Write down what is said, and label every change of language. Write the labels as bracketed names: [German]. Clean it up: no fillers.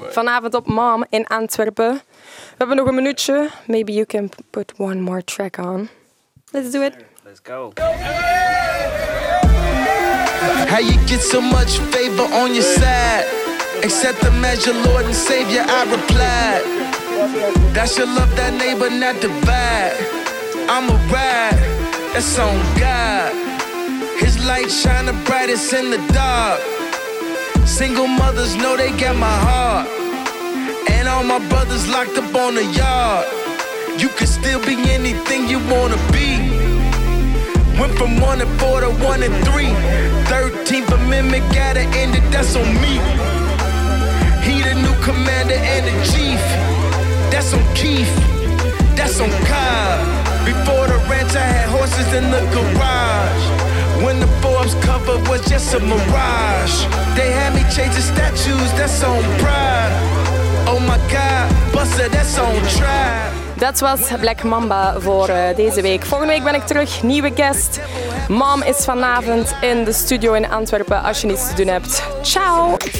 [Dutch] Vanavond op Mam in Antwerpen. We hebben nog een minuutje. [English] Maybe you can put one more track on. Let's do it. Let's go. How you get so much favor on your side? Accept them as your Lord and Savior, I replied. That's your love, that neighbor, not the bad. I'm a ride. That's on God. His light shine the brightest in the dark. Single mothers know they got my heart. And all my brothers locked up on the yard. You can still be anything you wanna be. Went from 1-4 to 1-3. 13th Amendment gotta end it, that's on me. He the new commander and the chief. That's on Keith, that's on Cobb. Before the ranch I had horses in the garage. When the Forbes cover was just a mirage. They had me changing statues, that's on pride. Oh my God, Buster, that's on try. [Dutch] Dat was Black Mamba voor deze week. Volgende week ben ik terug, nieuwe guest. Mam is vanavond in de studio in Antwerpen als je niets te doen hebt. Ciao!